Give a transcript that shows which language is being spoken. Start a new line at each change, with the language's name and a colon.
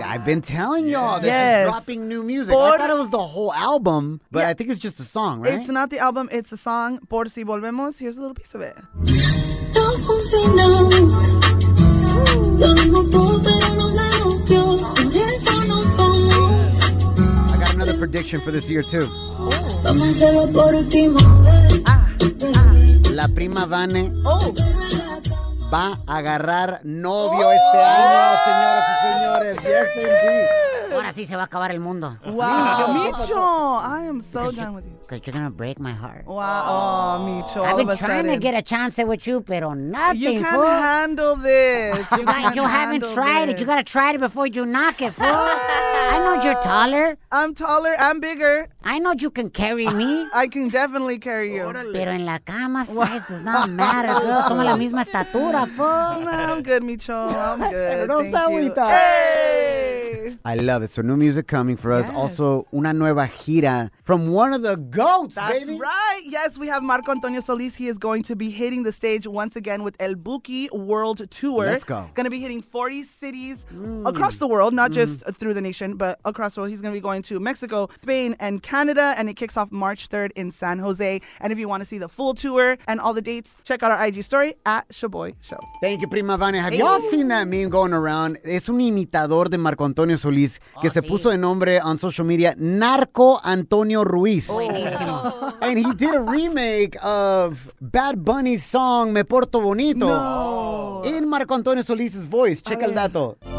English: I've been telling y'all that she's dropping new music. Por... I thought it was the whole album, but I think it's just a song, right? It's not the album. It's a song. Por si volvemos, here's a little piece of it.
Spanish: No funcionó.
English: I got another prediction for this year too.
Spanish: La prima Vane va a agarrar novio este año, señoras y señores.
English: Yes, indeed.
Spanish: Ahora sí se va a acabar el mundo.
English: Wow, Micho, I am so done with you. Because you're going to break my heart. Wow, oh, Micho. I've been trying to get a chance with you, pero nothing, fool. You can't handle this. You haven't tried it. You got to try it before you knock it, fool. I know you're taller. I'm taller. I'm bigger. I know you can carry me. I can definitely carry you.
Spanish: Pero en la cama
English: size does not matter, girl.
Spanish: Somos la misma estatura, fool.
English: No, I'm good, Micho. I'm good.
Spanish: Pero no sabita.
English: I love it. So new music coming for us. Also, una nueva gira from one of the GOATs, baby. That's right. Yes, we have Marco Antonio Solís. He is going to be hitting the stage once again with El Buki World Tour. Let's go. Going to be hitting 40 cities across the world, not just through the nation, but across the world. He's going to be going to Mexico, Spain, and Canada, and it kicks off March 3rd in San Jose. And if you want to see the full tour and all the dates, check out our IG story at Shaboy Show. Thank you, Prima Vane. Have y'all seen that meme going around?
Spanish: Es un imitador de Marco Antonio Solís que se puso de nombre on social media, Narco Antonio Ruiz. Buenísimo.
English: And he did a remake of Bad Bunny's song, Me Porto Bonito. No.
Spanish: en Marco Antonio Solís' voice. Checa el dato.